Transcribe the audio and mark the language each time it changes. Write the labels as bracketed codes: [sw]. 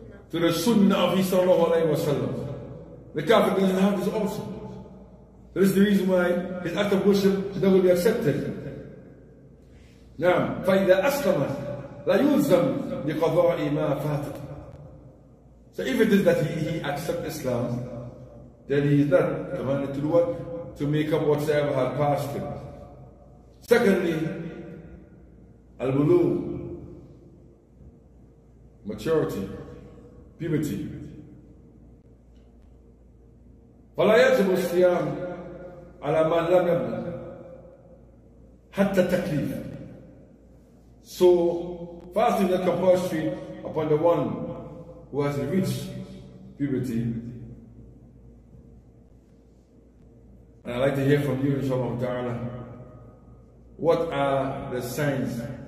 [en] To the Sunnah of Isa [ar] sallallahu alayhi wa sallam. [en] The kafir doesn't have this also. This is the reason why his act of worship is not going to be accepted. [ar] Now, فَإِذَا أَسْلَمَ لَا يُلْزَمْ لِقَضَاءِ مَا فَاتَتْ. [en] So if it is that he accepts Islam, then he is not commanded to do what? To make up whatsoever had passed him. Secondly, al-bulugh, maturity, puberty. [ar] فلا يجب الصيام على من لم يبلغ حتى التكليف. [en] So fasting is compulsory upon the one who has reached puberty. And I'd like to hear from you, inshallah ta'ala, what are the signs?